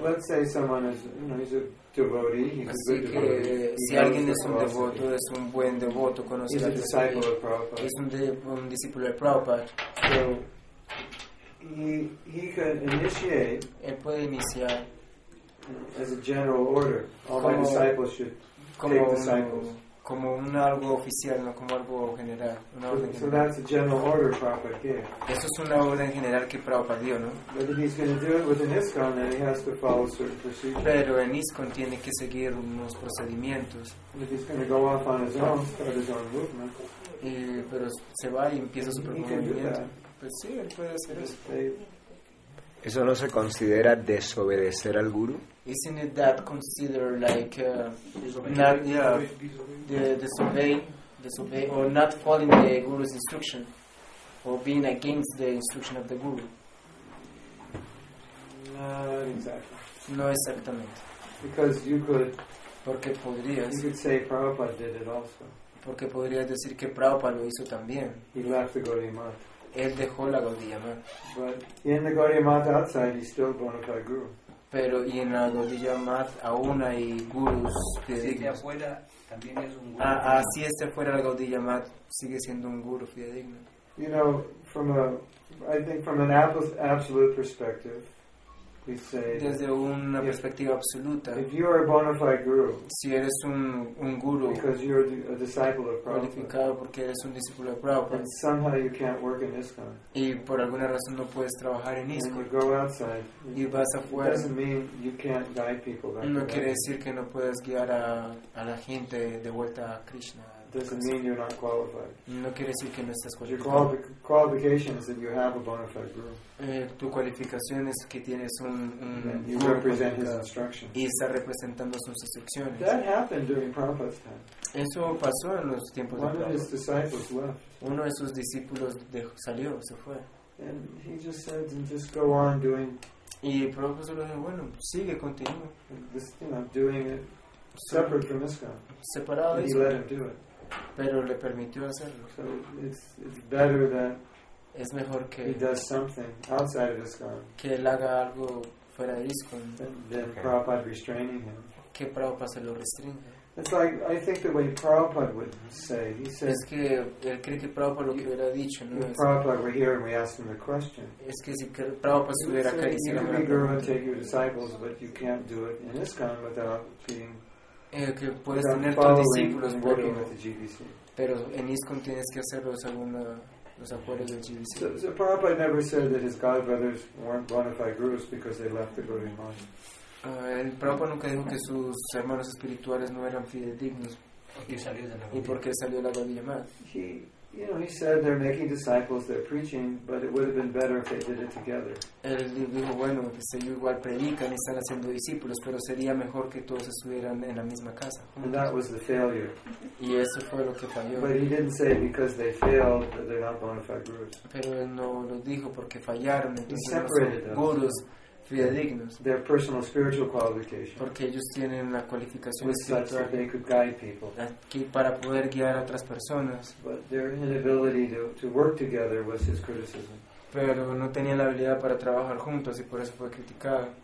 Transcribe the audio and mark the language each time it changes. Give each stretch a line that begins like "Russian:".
English: Let's say someone is, you know, he's a devotee. He's
Spanish: así
English: a good
Spanish: que
English: devotee.
Spanish: Si alguien es un devoto, es un buen devoto, conoce
English: a disciple of Prabhupada.
Spanish: Es un discípulo de Prabhupada.
English: So he can initiate.
Spanish: Él puede iniciar
English: as a general order. All my disciples should take disciples.
Spanish: Como un algo oficial, no como algo general, una orden
English: so
Spanish: general.
English: That's a general order Prabhupada gave.
Spanish: Eso es una orden general que Prabhupada dio, ¿no?
English: But if he's going to do it within ISKCON, then he has to follow certain procedures.
Spanish: Pero en ISKCON tiene que seguir unos procedimientos.
English: If he's going to go off on his own, start his own movement.
Spanish: Pero se va y empieza su propio movimiento. Pues sí, él puede hacer eso. ¿Eso no se considera desobedecer al guru?
English: Isn't it that considered like disobey or not following the guru's instruction? or being against the instruction of the Guru? Not exactly.
Spanish: No, exactamente.
English: Because you could.
Spanish: Porque podrías.
English: You could say Prabhupada did it also.
Spanish: Porque podrías decir que Prabhupada lo hizo también.
English: He left the Gaudiya Math.
Spanish: Él dejó la Gaudiya Math.
English: But in the Gaudiya Math outside, he's still a bona fide guru.
Spanish: Pero y en la Gaudiya Math aún hay gurus que digan. Así afuera también es un guru. Ah, así este fuera la Gaudiya Math sigue siendo un guru fidedigno.
English: You know, from a, I think from an absolute perspective.
Spanish: Desde una perspectiva absoluta.
English: If you are a bona fide guru,
Spanish: si eres un guru,
English: because you're a disciple of Prabhupada,
Spanish: calificado porque eres un discípulo de Prabhupada,
English: and somehow you can't work in ISKCON.
Spanish: Y por alguna razón no puedes trabajar en ISKCON.
English: And you go outside.
Spanish: Y vas afuera.
English: It doesn't mean you can't guide people back.
Spanish: No quiere decir que no puedes guiar a la gente de vuelta a Krishna.
English: Doesn't mean you're not qualified.
Spanish: No quiere decir que no estás cualificado.
English: Your qualification is that you have a bona fide guru.
Spanish: Tu cualificación es que tienes un
English: you represent his instructions.
Spanish: Y estás representando sus instrucciones.
English: That happened during Prabhupada's time.
Spanish: Eso pasó en los tiempos de Prabhupada.
English: One of his disciples left.
Spanish: Uno de sus discípulos salió, se fue.
English: And he just said, just go on doing.
Spanish: Y el Prabhupada solo dijo, bueno, sigue, continúa.
English: This thing, I'm doing it. Separate from ISKCON.
Spanish: Separado.
English: He let him do it.
Spanish: Pero le permitió hacerlo.
English: So it's better that
Spanish: es mejor que
English: he does something outside of ISKCON.
Spanish: Que él haga algo fuera de ISKCON.
English: Than okay. Prabhupada restraining him.
Spanish: Que Prabhupada se lo restringe.
English: It's like I think the way Prabhupada would say. He says.
Spanish: Es que él cree que Prabhupada lo que hubiera dicho, ¿no?
English: If Prabhupada were here and we asked him the question.
Spanish: Es que si Prabhupada estuviera acá y se lo preguntara.
English: You can be guru and take your disciples, but you can't do it in ISKCON without being.
Spanish: Que puedes tener tus discípulos, pero en ISKCON tienes que hacerlo según los acuerdos del GBC.
English: So Prabhupada never said that his godbrothers weren't bona fide gurus because they left the Gaudiya Math.
Spanish: El Prabhupada nunca dijo que sus hermanos espirituales no eran fidedignos y porque salió de la Gaudiya Math.
English: You know, he said they're making disciples, they're preaching, but it would have been better if they did it together.
Spanish: Él dijo, bueno, se igual predican y están haciendo discípulos, pero sería mejor que todos estuvieran en la misma casa.
English: And that was the failure.
Spanish: Y eso fue lo que falló.
English: But he didn't say because they failed that they're not bona fide gurus.
Spanish: Pero él no lo dijo porque fallaron, entonces no son gurus fidedignos.
English: Their personal spiritual qualification.
Spanish: Porque ellos tienen la cualificación espiritual.
English: Such that they could guide people.
Spanish: Que para poder guiar a otras personas.
English: But their inability to work together was his criticism.
Spanish: Pero no tenían la habilidad para trabajar juntos y por eso fue criticado.